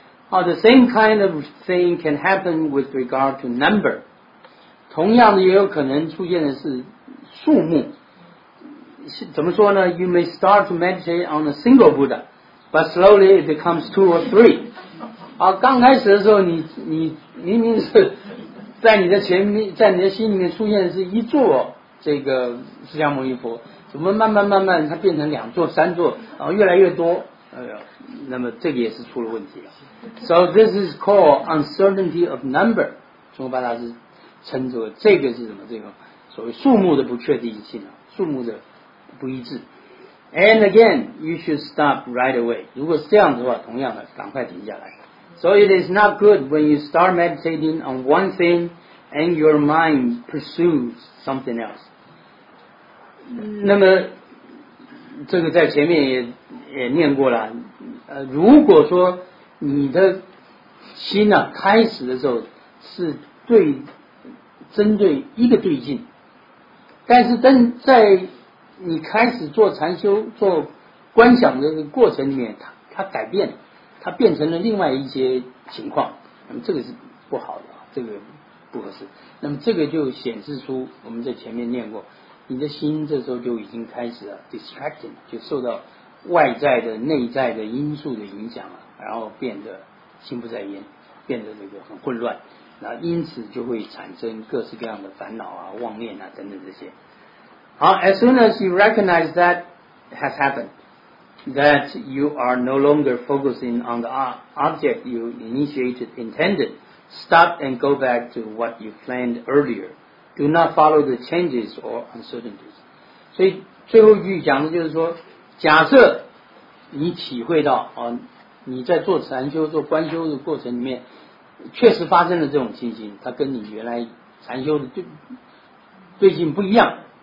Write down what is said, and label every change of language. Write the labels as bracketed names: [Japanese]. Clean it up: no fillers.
[English] The same kind of thing can happen with regard to number. [Chinese] 同样的也有可能出现的是数目，怎么说呢？ [English] You may start to meditate on a single Buddha, but slowly it becomes two or three. [Chinese] 刚开始的时候你明明是在你的前面，在你的心里面出现的是一座这个释迦牟尼佛，怎么慢慢慢慢它变成两座三座，然后越来越多，那么这个也是出了问题了。 [English] So this is called uncertainty of number. [Chinese] 中国八大师称作这个是什么？这个所谓数目的不确定性啊，数目的不一致。 [English] And again, you should stop right away. [Chinese] 如果是这样的话，同样的，赶快停下来。 [English] So it is not good when you start meditating on one thing and your mind pursues something else. [Chinese] 那么这个在前面也念过了。如果说你的心呢、开始的时候是对针对一个对境，但是在你开始做禅修、做观想的过程里面，它改变了，它变成了另外一些情况，那么这个是不好的，这个不合适。那么这个就显示出我们在前面念过，你的心这时候就已经开始了 distracting， 就受到外在的内在的因素的影响了，然后变得心不在焉，变得这个很混乱，那因此就会产生各式各样的烦恼啊、妄念啊等等这些。 [English] 好， as soon as you recognize that has happened, that you are no longer focusing on the object you initiated intended, stop and go back to what you planned earlier. Do not follow the changes or uncertainties. [Chinese] 所以最后一句讲的就是说，假设你体会到啊，你在做禅修、做观修的过程里面，确实发生了这种情形，它跟你原来禅修的对境不一样。